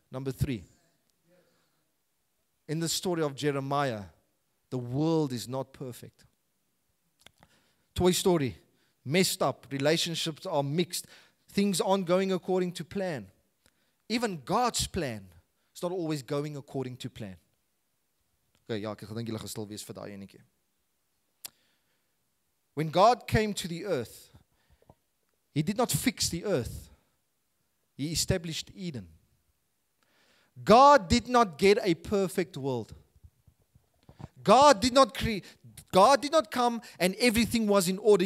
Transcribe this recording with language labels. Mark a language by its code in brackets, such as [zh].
[en] Number three, in the story of Jeremiah, the world is not perfect. Toy story, messed up, relationships are mixed, things aren't going according to plan. Even God's plan is not always going according to plan. [af] Okay, ja, ek dink julle gaan stil wees vir daai enetjie. [en] When God came to the earth, He did not fix the earth. He established Eden. God did not get a perfect world. God did not come and everything was in order.